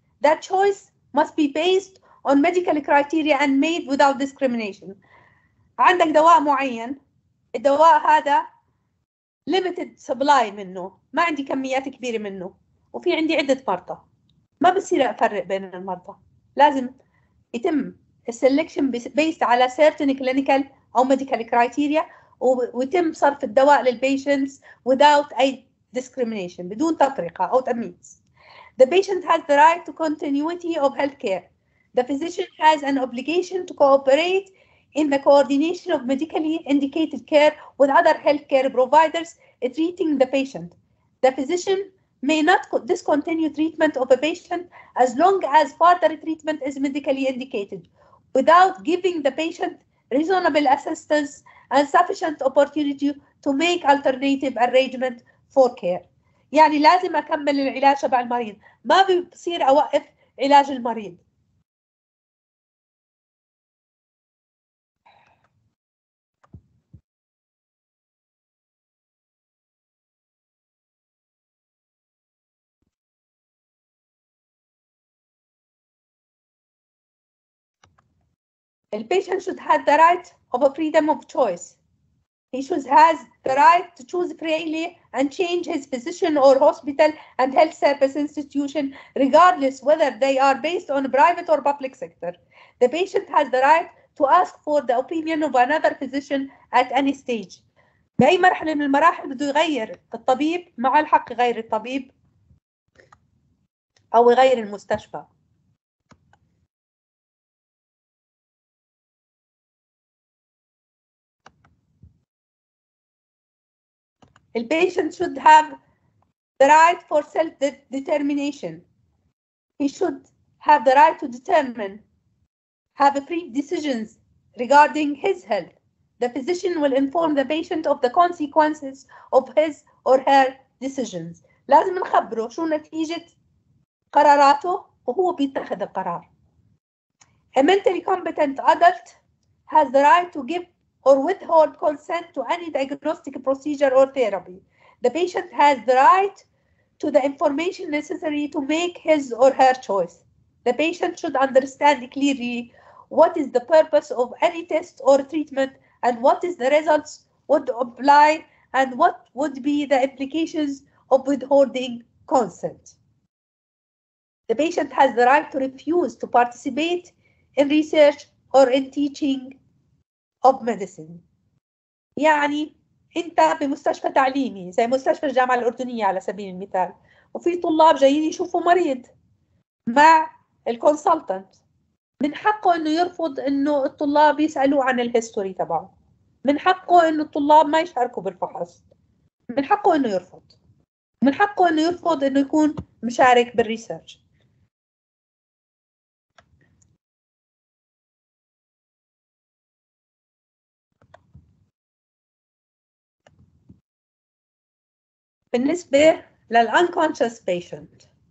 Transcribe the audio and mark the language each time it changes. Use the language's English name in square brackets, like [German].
[English] That choice must be based on medical criteria and made without discrimination. [Arabic] عندك دواء معين، الدواء هذا [English] limited supply [Arabic] منه، ما عندي كميات كبيرة منه، وفي عندي عدة مرضى، ما بصير أفرق بين المرضى، لازم يتم السلكشن بيست على [English] certain clinical او medical criteria, [Arabic] ويتم صرف الدواء للبيشنتس [English] وداوت any discrimination, [Arabic] بدون تفرقه او تمييز. [English] The patient has the right to continuity of healthcare. The physician has an obligation to cooperate in the coordination of medically indicated care with other healthcare providers treating the patient. The physician may not discontinue treatment of a patient as long as further treatment is medically indicated without giving the patient reasonable assistance and sufficient opportunity to make alternative arrangement for care. [Arabic] يعني لازم أكمل العلاج تبع المريض، ما بصير أوقف علاج المريض. [English] The patient should have the right of a freedom of choice. He should have the right to choose freely and change his physician or hospital and health service institution, regardless whether they are based on private or public sector. The patient has the right to ask for the opinion of another physician at any stage. [Arabic] بأي مرحلة من المراحل بده يغير الطبيب مع الحق غير الطبيب أو غير المستشفى. [English] The patient should have the right for self-determination. He should have the right to determine, have free decisions regarding his health. The physician will inform the patient of the consequences of his or her decisions. [Arabic] لازم نخبره شو نتيجة قراراته وهو بيتخذ القرار. [English] A mentally competent adult has the right to give or withhold consent to any diagnostic procedure or therapy. The patient has the right to the information necessary to make his or her choice. The patient should understand clearly what is the purpose of any test or treatment and what is the results would apply and what would be the implications of withholding consent. The patient has the right to refuse to participate in research or in teaching of medicine. [Arabic] يعني انت بمستشفى تعليمي زي مستشفى الجامعة الأردنية على سبيل المثال وفي طلاب جايين يشوفوا مريض مع الكونسلتنت من حقه انه يرفض انه الطلاب يسألوا عن الهيستوري تبعه من حقه انه الطلاب ما يشاركوا بالفحص من حقه انه يرفض من حقه انه يرفض انه يكون مشارك بالريسيرش بالنسبة لل [English] unconscious patient.